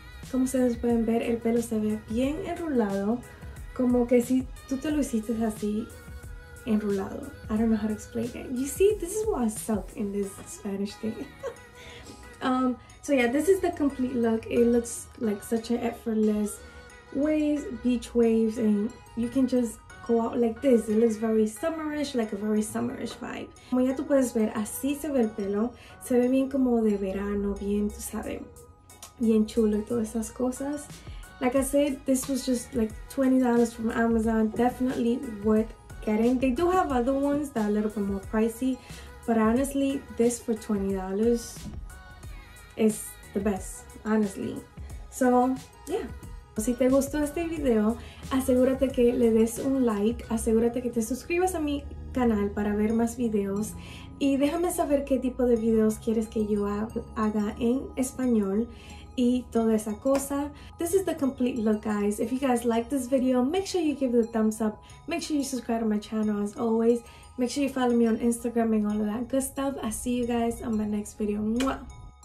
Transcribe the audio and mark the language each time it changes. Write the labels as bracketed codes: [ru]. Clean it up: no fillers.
[es] Como ustedes pueden ver, el pelo se ve bien enrulado. Como que si tú te lo hiciste así, enrulado. [en] I don't know how to explain it. You see, this is why I suck in this Spanish thing. So yeah, this is the complete look. It looks like such an effortless waves, beach waves, and you can just go out like this. It looks very summerish, like a very summerish vibe. [es] Como ya tú puedes ver, así se ve el pelo. Se ve bien como de verano, bien, tú sabes, bien chulo y todas esas cosas. [en] Like I said, this was just like $20 from Amazon. Definitely worth getting. They do have other ones that are a little bit more pricey, but honestly, this for $20 is the best, honestly. So yeah. [es] Si te gustó este video, asegúrate que le des un like, asegúrate que te suscribas a mi canal para ver más videos y déjame saber qué tipo de videos quieres que yo haga en español y toda esa cosa. [en] This is the complete look, guys. If you guys like this video, make sure you give it a thumbs up. Make sure you subscribe to my channel as always. Make sure you follow me on Instagram and all of that good stuff. I'll see you guys on my next video. Mwah!